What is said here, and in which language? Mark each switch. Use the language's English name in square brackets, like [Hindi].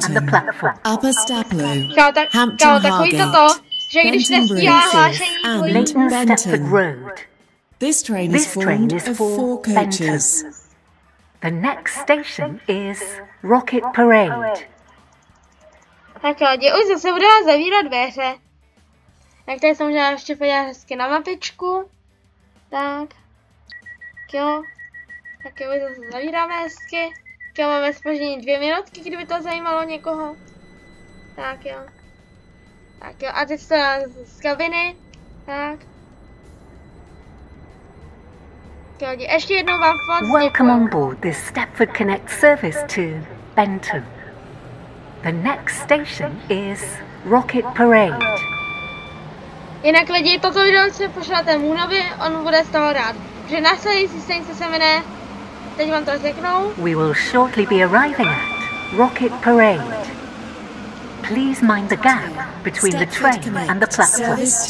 [English] and the platform. Upper Staplow. Hampton Hargate. Benton Bridge. And Leighton Stepford Road. This train is for four coaches. The next station is Rocket Parade. [Czech] Tak jo, já už zase budu vás zavírat dveře. Tak tady jsem možná ještě podívat hezky na mapičku. Tak jo, zase zavíráme hezky. Tak jo, máme spoždění 2 minutky, kdyby to zajímalo někoho. Tak jo, a teď to z kabiny. Tak jo, ještě jednou vám moc děkuji. [English] Welcome on board this Stepford Connect service to Benton. The next station is Rocket Parade. [Czech] Jinak lidi, toto video se pošlete Moonovi, on bude z toho rád. Že následující stanice se jmenuje, teď vám to řeknou. [English] We will shortly be arriving at Rocket Parade. Please mind the gap between the train and the platform.